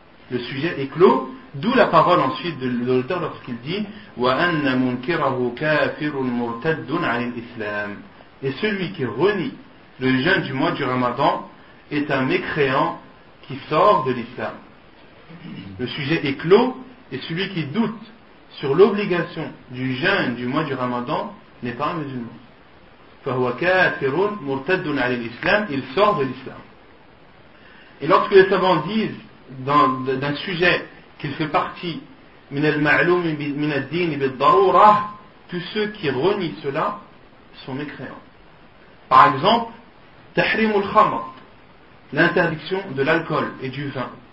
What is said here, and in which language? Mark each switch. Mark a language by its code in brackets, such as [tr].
[fr] Le sujet est clos, d'où la parole ensuite de l'auteur lorsqu'il dit « [ar] Wa anna munkirahu kafirun murtaddun ala l'islam [fr] » Et celui qui renie le jeûne du mois du Ramadan est un mécréant qui sort de l'islam. Le sujet est clos et celui qui doute sur l'obligation du jeûne du mois du Ramadan n'est pas un musulman. [ar] فَهُوَ كَافِرٌ مُرْتَدٌ عَلَى الْإِسْلَامِ [fr] Il sort de l'islam. Et lorsque les savants disent d'un sujet qu'il fait partie [ar] مِنَ الْمَعْلُومِ مِنَ الدِّينِ بِالضَّرُورَةِ [fr] tous ceux qui renient cela sont mécréants. Par exemple, [ar] تَحْرِمُ الْخَمَرِ [fr] l'interdiction de l'alcool et du vin.